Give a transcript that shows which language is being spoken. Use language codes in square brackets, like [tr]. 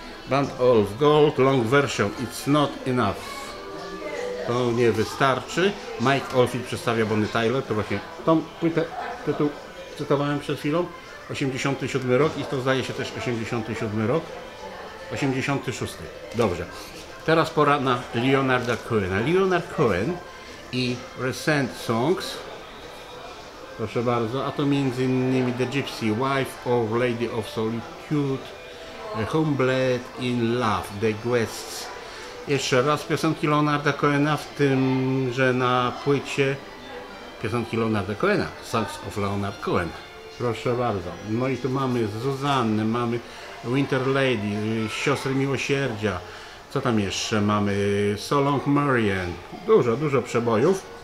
[en] Band of Gold, long version, it's not enough. [pl] To nie wystarczy. Mike Oldfield przedstawia Bonnie Tyler, to właśnie tą płytę tytuł cytowałem przed chwilą. 87 rok i to zdaje się też 87 rok. 86. Dobrze. Teraz pora na Leonarda Cohena. Leonard Cohen i Recent Songs. Proszę bardzo. A to między innymi The Gypsy, Wife of Lady of Solitude. [en] Homeblade in Love, The Guests. [pl] Jeszcze raz piosenki Leonarda Cohena, w tym, że na płycie piosenki Leonarda Cohena, Songs of Leonard Cohen. Proszę bardzo. No i tu mamy Zuzannę, mamy Winter Lady, Siostry Miłosierdzia. Co tam jeszcze mamy? So Long Marianne. Dużo, dużo przebojów.